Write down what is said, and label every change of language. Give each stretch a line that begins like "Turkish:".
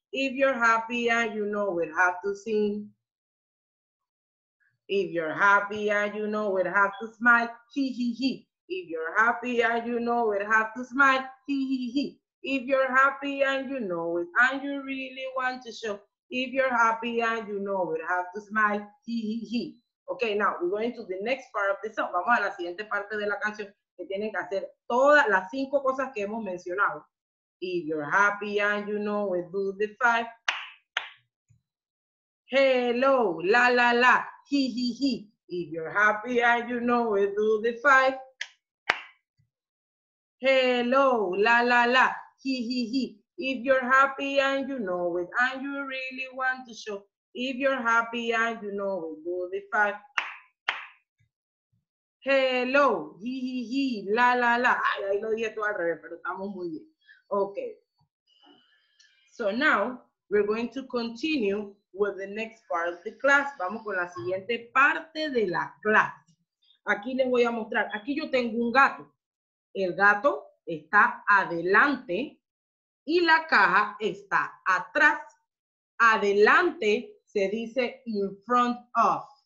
English: If you're happy and you know it, have to sing. If you're happy and you know it, have to smile, hee, hee, hee. If you're happy and you know it, have to smile, hee, hee, hee. If you're happy and you know it, and you really want to show. If you're happy and you know it, have to smile, hee, hee, hee. Okay, now we're going to the next part of the song.
Spanish: Vamos a la siguiente parte de la canción, que tienen que hacer todas las cinco cosas que hemos mencionado.
English: If you're happy and you know it, do the five. Hello, la, la, la, hee, hee, hee. If you're happy and you know it, do the five. Hello, la, la, la, hee, hee, hee. If you're happy and you know it, and you really want to show. If you're happy and you know it, do the five. Hello, hee, hee, hee, la, la, la.
Spanish: Ay, ahí lo dije todo al revés, pero estamos muy bien.
English: Okay. So now, we're going to continue with the next part of the class.
Spanish: Vamos con la siguiente parte de la clase. Aquí les voy a mostrar. Aquí yo tengo un gato. El gato está adelante y la caja está atrás. Adelante se dice
English: in front of.